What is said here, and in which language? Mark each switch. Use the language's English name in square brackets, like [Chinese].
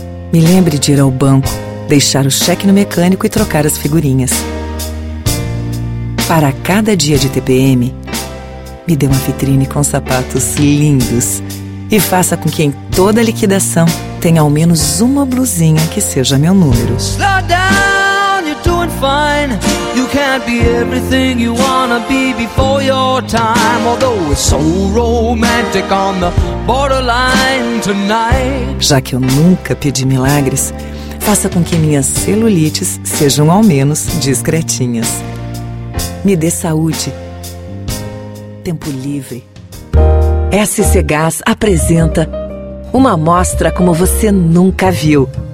[Portuguese] Me lembre de ir ao banco, deixar o cheque no mecânico e trocar as figurinhas. Para cada dia de TPM, me dê uma vitrine com sapatos lindos. E faça com que em toda a liquidação tenha ao menos uma blusinha que seja meu número. [English] Slow down, you're doing fine. You can't be everything you wanna be before your time. Although it's so romantic on the borderline tonight. [Portuguese] Já que eu nunca pedi milagres, faça com que minhas celulites sejam ao menos discretinhas. Me dê saúde. Tempo livre. SC Gás apresenta uma amostra como você nunca viu.